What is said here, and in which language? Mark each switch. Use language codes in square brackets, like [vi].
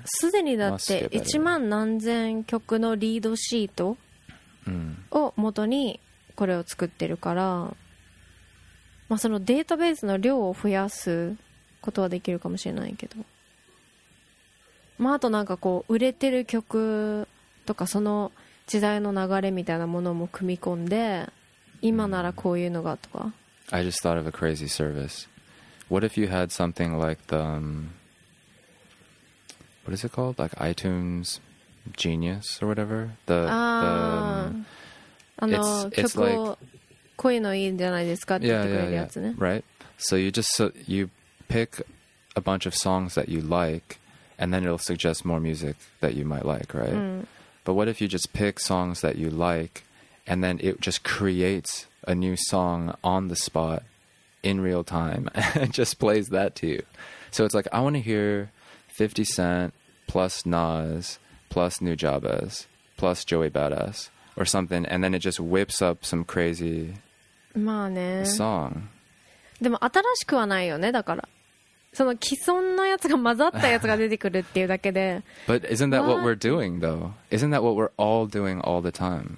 [ja] すでにだって一万何千曲のリードシートを元にこれを作ってるから、まあ、そのデータベースの量を増やすことはできるかもしれないけど、まあ、あとなんかこう売れてる曲とかその時代の流れみたいなものも組み込んで、今ならこういうのがとか。 [en] I just thought of a crazy service. What if you had something like the、what is it called? Like iTunes Genius or whatever? It's [ja] 曲を、 [en] like、 [ja] こういうのいいんじゃないですかって言ってくれるやつね。 [en] yeah. Right? So you just you pick a bunch of songs that you likeAnd then it'll suggest more music that you might like, right?、 Mm. But what if you just pick songs that you like, and then it just creates a new song on the spot in real time and just plays that to you? So it's like, I want to hear 50 Cent plus Nas plus New Jabez plus Joey Badass or something, and then it just whips up some crazy、 [ja] まあね、 [en] song. [ja] でも新しくはないよね、だから。その既存のやつが混ざったやつが出てくるっていうだけで。 [en] But isn't that what we're doing though? Isn't that what we're all doing all the time?